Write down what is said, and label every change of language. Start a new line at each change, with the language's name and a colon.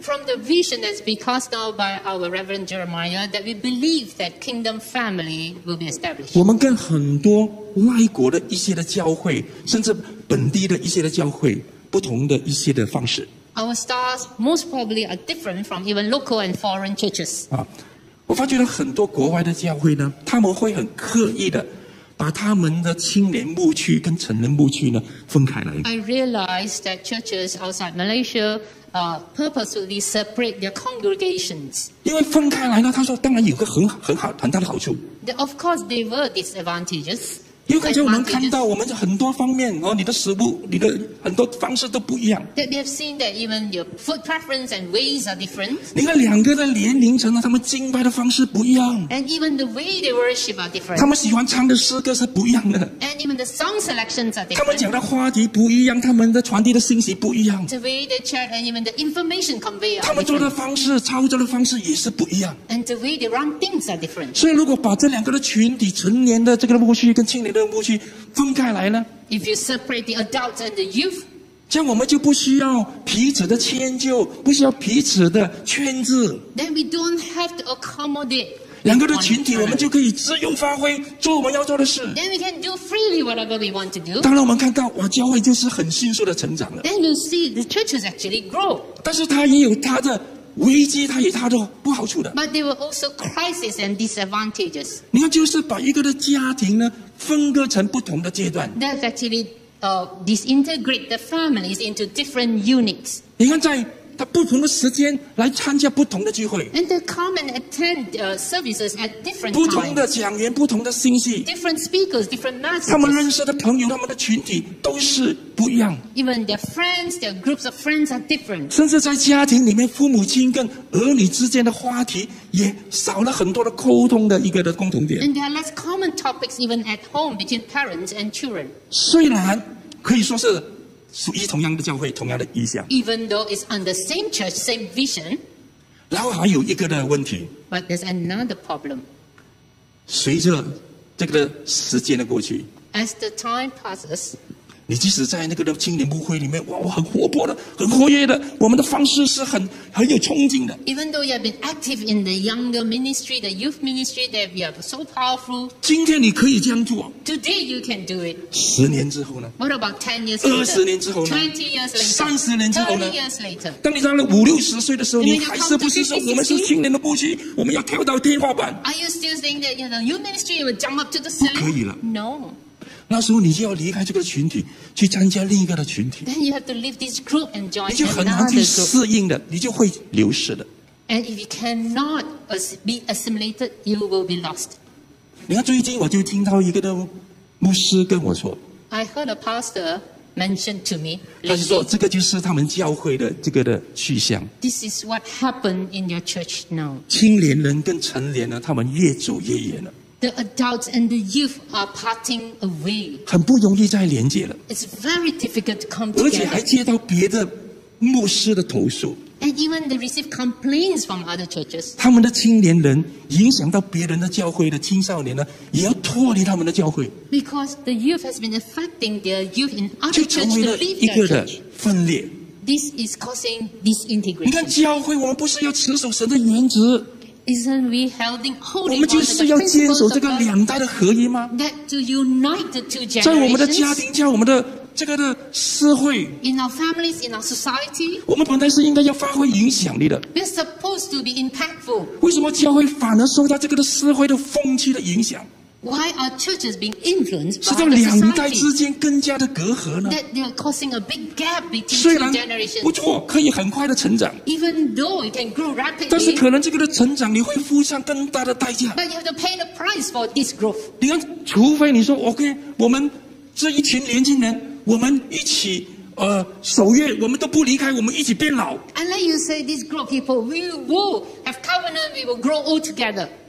English: From the vision that's been cast out by our Reverend Jeremiah, that we believe that kingdom family will be established.
Chinese: 我们跟很多外国的一些的教会，甚至本地的一些的教会，不同的一些的方式。
English: Our stars most probably are different from even local and foreign churches.
Chinese: 我发觉了很多国外的教会呢，他们会很刻意的。把他们的青年牧区跟成人牧区呢分开来。
English: I realize that churches outside Malaysia purposefully separate their congregations.
Chinese: 因为分开来呢，他说当然有个很好很大的好处。
English: Of course, they were disadvantages.
Chinese: 因为刚才我们看到，我们很多方面哦，你的食物、你的很多方式都不一样。
English: That they have seen that even your food preference and ways are different.
Chinese: 你看两个的年龄层呢，他们敬拜的方式不一样。
English: And even the way they worship are different.
Chinese: 他们喜欢唱的诗歌是不一样的。
English: And even the song selections are different.
Chinese: 他们讲的话题不一样，他们的传递的信息不一样。
English: The way they chat and even the information convey.
Chinese: 他们做的方式、操作的方式也是不一样。
English: And the way they run things are different.
Chinese: 所以如果把这两个的群体，成年的这个牧区跟青年的牧区分开来呢？
English: If you separate the adults and the youth,
Chinese: 这样我们就不需要彼此的迁就，不需要彼此的圈制。
English: Then we don't have to accommodate.
Chinese: 两个的群体，我们就可以自由发挥，做我们要做的事。
English: Then we can do freely whatever we want to do.
Chinese: 当然，我们看到哇，教会就是很迅速的成长了。
English: Then you see the churches actually grow.
Chinese: 但是它也有它的危机它有它的不好处的。
English: But there were also crises and disadvantages.
Chinese: 你看，就是把一个的家庭呢分割成不同的阶段。
English: That's actually disintegrate the families into different units.
Chinese: 你看，在他不同的时间来参加不同的聚会。
English: And they come and attend services at different
Chinese: times. 不同的讲员，不同的信息。
English: Different speakers, different messages.
Chinese: 他们认识的朋友，他们的群体都是不一样。
English: Even their friends, their groups of friends are different.
Chinese: 甚至在家庭里面，父母亲跟儿女之间的话题也少了很多的沟通的一个的共同点。
English: And there are less common topics even at home between parents and children.
Chinese: 虽然可以说是属于同样的教会，同样的意象。
English: Even though it's on the same church, same vision.
Chinese: 然后还有一个的问题。
English: But there's another problem.
Chinese: 随着这个时间的过去。
English: As the time passes.
Chinese: 你即使在那个的青年牧会里面，哇，我很活泼的，很活跃的，我们的方式是很有冲劲的。
English: Even though you have been active in the younger ministry, the youth ministry, that you are so powerful.
Chinese: 今天你可以这样做。
English: Today you can do it.
Chinese: 十年之后呢
English: ？What about 10 years later? 20 years later? 20 years later? 30 years later? 30 years later?
Chinese: 当你到了50、60岁的时候，你还是不是说我们是青年的牧区，我们要跳到天花板
English: ？Are you still saying that the youth ministry will jump up to the ceiling?
Chinese: 不可以了。
English: No.
Chinese: 那时候你就要离开这个群体，去参加另一个的群体。
English: Then you have to leave this group and join another
Chinese: group. 你就很难去适应的，你就会流失的。
English: And if you cannot be assimilated, you will be lost.
Chinese: 你看，最近我就听到一个的牧师跟我说
English: ，I heard a pastor mention to me.
Chinese: 他就说，这个就是他们教会的这个的去向。
English: This is what happened in your church now.
Chinese: 青年人跟成年人，他们越走越远了。
English: The adults and the youth are parting away.
Chinese: 很不容易再连接了。
English: It's very difficult to come together.
Chinese: 而且还接到别的牧师的投诉。
English: And even they receive complaints from other churches.
Chinese: 他们的青年人影响到别人的教会的青少年呢，也要脱离他们的教会。
English: Because the youth has been affecting their youth in other churches to leave their church.
Chinese: 就成为了一个的分裂。
English: This is causing disintegration.
Chinese: 你看教会，我们不是要持守神的原则。
English: Isn't we holding holy?
Chinese: 我们就是要坚守这个两代的合一吗
English: ？That to unite the two generations.
Chinese: 在我们的家庭，在我们的这个的社会。
English: In our families, in our society.
Chinese: 我们本来是应该要发挥影响力的。
English: We're supposed to be impactful.
Chinese: 为什么教会反而受到这个的社会的风气的影响
English: ？Why are churches being influenced by society?
Chinese: 是让两代之间更加的隔阂呢
English: ？That they are causing a big gap between two generations.
Chinese: 不错，可以很快的成长。
English: Even though it can grow rapidly,
Chinese: 但是可能这个的成长你会付上更大的代价。
English: But you have to pay the price for this growth.
Chinese: 你看，除非你说 OK， 我们这一群年轻人，我们一起守约，我们都不离开，我们一起变老。
English: Unless you say this group of people, we will have covenant, we will grow old together.